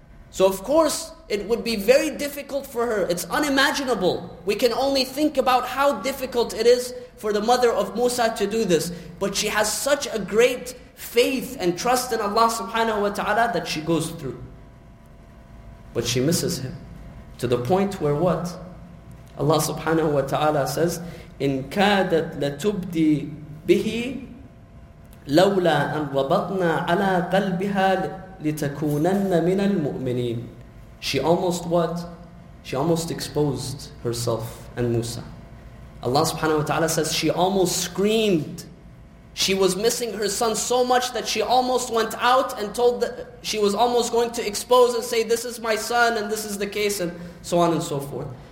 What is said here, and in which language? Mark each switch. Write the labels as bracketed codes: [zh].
[en] So of course, it would be very difficult for her. It's unimaginable. We can only think about how difficult it is for the mother of Musa to do this. But she has such a great faith and trust in Allah subhanahu wa ta'ala that she goes through. But she misses him. To the point where what? Allah subhanahu wa ta'ala says, [ar] إِن كَادَتْ لَتُبْدِي بِهِ لَوْلَا أَنْ رَبَطْنَا عَلَىٰ قَلْبِهَا لِتَكُونَنَّ مِنَ الْمُؤْمِنِينَ. [en] She almost what? She almost exposed herself and Musa. Allah subhanahu wa ta'ala says she almost screamed. She was missing her son so much that she almost went out and told that she was almost going to expose and say, this is my son and this is the case and so on and so forth.